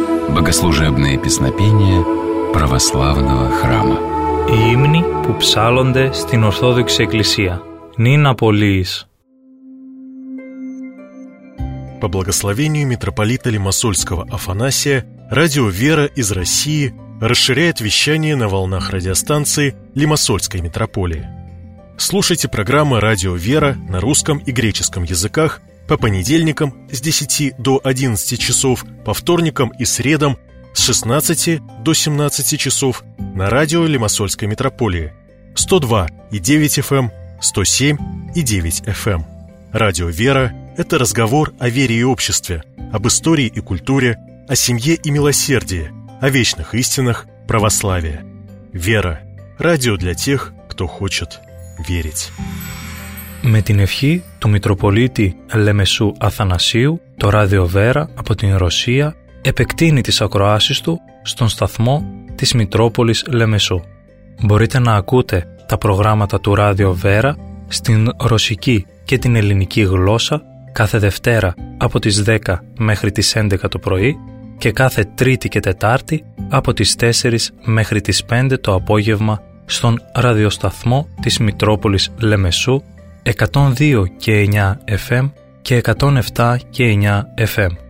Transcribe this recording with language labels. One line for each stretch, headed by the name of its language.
Russian: богослужебные песнопения православного храма.
Greek: Οι ύμνοι που ψάλλονται στην Ορθόδοξη Εκκλησία. Νυν απολύεις.
Russian: По благословению митрополита Лимассольского Афанасия, радио «Вера» из России расширяет вещание на волнах радиостанции Лимассольской митрополии. Слушайте программы «Радио «Вера» на русском и греческом языках по понедельникам с 10 до 11 часов, по вторникам и средам с 16 до 17 часов на радио Лимассольской митрополии 102,9 FM, 107,9 FM. Радио «Вера» – это разговор о вере и обществе, об истории и культуре, о семье и милосердии, о вечных истинах православия. «Вера» – радио для тех, кто хочет верить.
Greek: Με την ευχή του Μητροπολίτη Λεμεσού Αθανασίου, το Ράδιο Βέρα από την Ρωσία επεκτείνει τις ακροάσεις του στον σταθμό της Μητρόπολης Λεμεσού. Μπορείτε να ακούτε τα προγράμματα του Ράδιο Βέρα στην ρωσική και την ελληνική γλώσσα κάθε Δευτέρα από τις 10 μέχρι τις 11 το πρωί και κάθε Τρίτη και Τετάρτη από τις 4 μέχρι τις 5 το απόγευμα στον ραδιοσταθμό της Μητρόπολης Λεμεσού 102 και 9 FM και 107 και 9 FM.